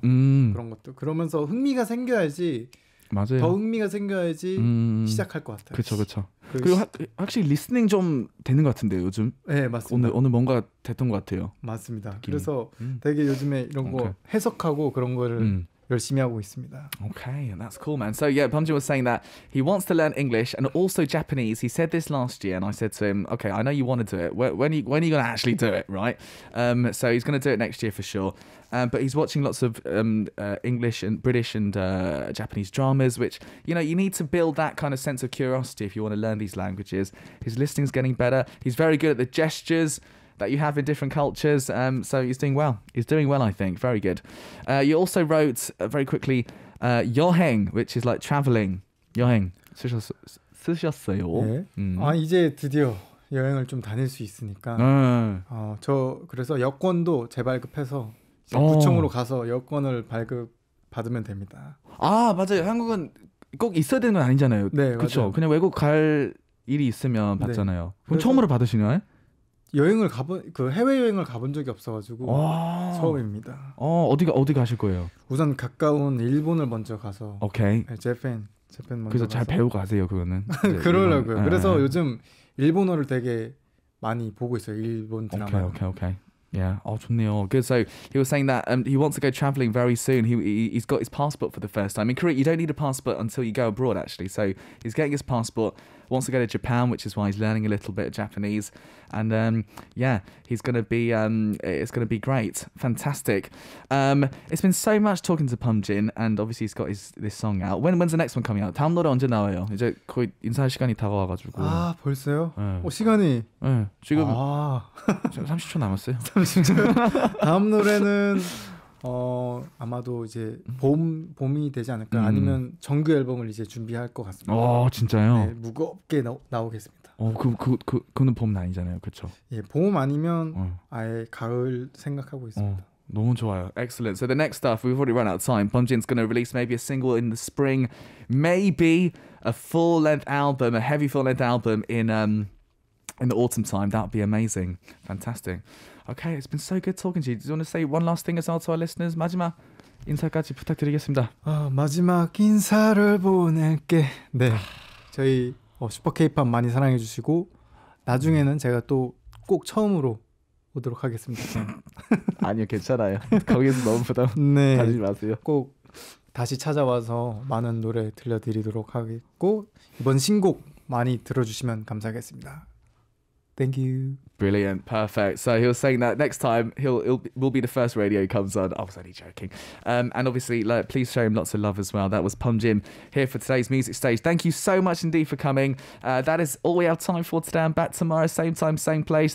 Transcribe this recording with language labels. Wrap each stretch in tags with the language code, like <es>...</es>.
<ko>그런 것도 그러면서 흥미가 생겨야지. 맞아요. 더 흥미가 생겨야지 시작할 것 같아요. 그렇죠, 그렇죠. 그리고 확실히 리스닝 좀 되는 것 같은데 요즘. 네, 맞습니다. 오늘 뭔가 됐던 것 같아요. 맞습니다. 느낌이. 그래서 되게 요즘에 이런 거 해석하고 그런 거를 열심히 하고 있습니다.</ko> <en>Okay, and that's cool, man. So yeah, Bumjin was saying that he wants to learn English and also Japanese. He said this last year, and I said to him, "Okay, I know you want to do it. When are you going to actually do it, right?" So he's going to do it next year for sure. But he's watching lots of English and British and Japanese dramas, which, you know, you need to build that kind of sense of curiosity if you want to learn these languages. His listening's getting better. He's very good at the gestures that you have in different cultures. So he's doing well. He's doing well, I think. Very good. You also wrote, very quickly, 여행, which is like traveling.</en> <ko>여행. 쓰셨어요? 네. 아, 이제 드디어 여행을 좀 다닐 수 있으니까. 저 그래서 여권도 재발급해서 구청으로 가서 여권을 발급 받으면 됩니다. 아, 맞아요. 한국은 꼭 있어야 되는 건 아니잖아요. 네, 그렇죠. 그냥 외국 갈 일이 있으면 받잖아요. 네. 그럼 처음으로 받으시나요? 여행을 가본 그 해외 여행을 가본 적이 없어가지고 처음입니다. 어디 가실 거예요? 우선 가까운 일본을 먼저 가서. 오케이. 네, 재팬 먼저. 그래서 가서. 잘 배우고 가세요 그거는. 그러려고요. 그래서 요즘 일본어를 되게 많이 보고 있어요. 일본 드라마.</ko> <en>오케이 오케이 오케이. Yeah. Oh,</en> <ko>좋네요.</ko> <en>Good. So he was saying that he wants to go traveling very soon. He's got his passport for the first time. In Korea, you don't need a passport until you go abroad, actually. So he's getting his passport, wants to go to Japan, which is why he's learning a little bit of Japanese. And yeah, he's going to be, it's going to be great. Fantastic. It's been so much talking to Bumjin, and obviously he's got this song out. When's the next one coming out?</en> <ko>다음 노래 언제 나와요? 이제 거의 인사할 시간이 다가와가지고. 아, 벌써요? 네. 오, 시간이. 네, 지금 아. 30초 남았어요. 30초. 다음 노래는 아마도 이제 봄이 되지 않을까 아니면 정규 앨범을 이제 준비할 것 같습니다. 진짜요? 네, 무겁게 나오겠습니다. 그는 봄은 아니잖아요, 그렇죠? 예, 봄 아니면 아예 가을 생각하고 있습니다. 너무 좋아요.</ko> <en>Excellent. So the next stuff, we've already run out of time. Bumjin's going to release maybe a single in the spring, maybe a full length album, a heavy full length album in the autumn time. That would be amazing. Fantastic. Okay, it's been so good talking to you. Do you want to say one last thing as well to our listeners?</en> <ko>마지막 인사까지 부탁드리겠습니다. 마지막 인사를 보낼게. 네, 저희 슈퍼 K-POP 많이 사랑해 주시고 나중에는 제가 또 꼭 처음으로 오도록 하겠습니다. 아니요, 괜찮아요. 거기에서 너무 부담 네, 가지 마세요. 꼭 다시 찾아와서 많은 노래 들려드리도록 하겠고 이번 신곡 많이 들어주시면 감사하겠습니다.</ko> <en>Thank you. Brilliant, perfect. So he was saying that next time we'll be the first radio he comes on. I was only joking. And obviously, like, please show him lots of love as well. That was Bumjin here for today's music stage. Thank you so much indeed for coming. That is all we have time for today. I'm back tomorrow, same time, same place.</en>